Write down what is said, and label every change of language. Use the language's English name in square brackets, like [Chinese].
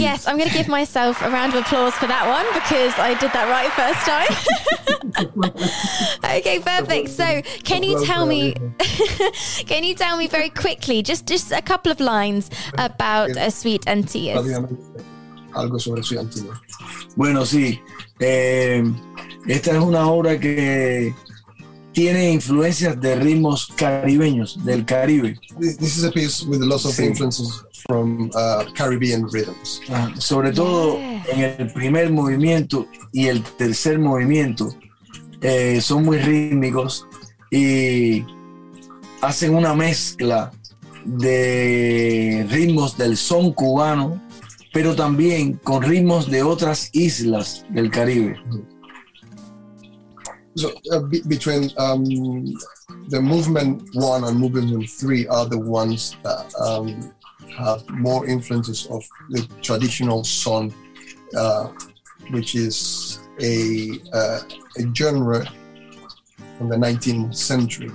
[English] Yes, I'm going to give myself a round of applause for that one because I did that right first time. Okay, perfect. So can you tell me, can you tell me very quickly, just a couple of lines about A Sweet and Tears? [Spanish] Algo sobre Sweet and Tears. Bueno, sí. Esta es una obra que tiene influencias de ritmos caribeños, del Caribe. [English] This is a piece with lots of influences from Caribbean rhythms. [Spanish] Sobre todo en el primer movimiento y el tercer movimiento, son muy rítmicos y hacen una mezcla de ritmos del son cubano, pero también con ritmos de otras islas del Caribe. [English] So between the movement one and movement three are the ones that have more influences of the traditional son, which is a genre from the 19th century.